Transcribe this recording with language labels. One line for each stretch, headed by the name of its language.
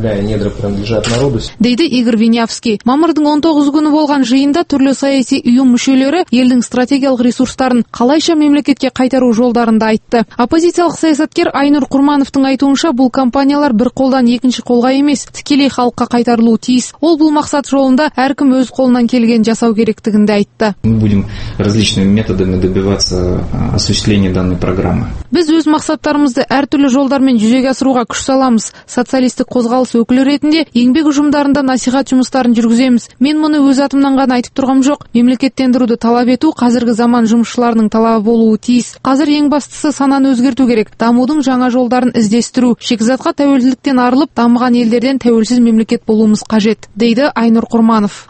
Kazakh: Дейді Игорь Винявский. Мамырдың 19 күні болған жиында түрлі саяси ұйым мүшелері елдің стратегиялық ресурстарын қалайша мемлекетке қайтару жолдарында айтты. Оппозициялық саясаткер Айнур Құрмановтың айтуынша, бұл компаниялар бір қолдан екінші қолға емес, тікелей халыққа қайтарылуы тиіс. Ол бұл мақсат жолында әркім өз қолынан келген жасау керектігін де айтты.
Russian: Мы будем различными методами добиваться осуществления данной программы.
Kazakh: Біз өз мақсаттарымызды әртүрлі жолдармен жүзеге асыруға күш саламыз. Социалистік қозғалыс өкілі ретінде еңбек ұжымдарында насихат жұмыстарын жүргіземіз. Мен мұны өз атымнан ғана айтып тұрғам жоқ. Мемлекеттендіруді талап ету қазіргі заман жұмысшыларының талабы болуы тиіс. Қазір ең бастысы сананы өзгерту керек. Дамудың жаңа жолдарын іздестіру, шикізатқа тәуелділіктен арылып, дамыған елдерден тәуелсіз мемлекет болуымыз қажет, дейді Айнур Құрманов.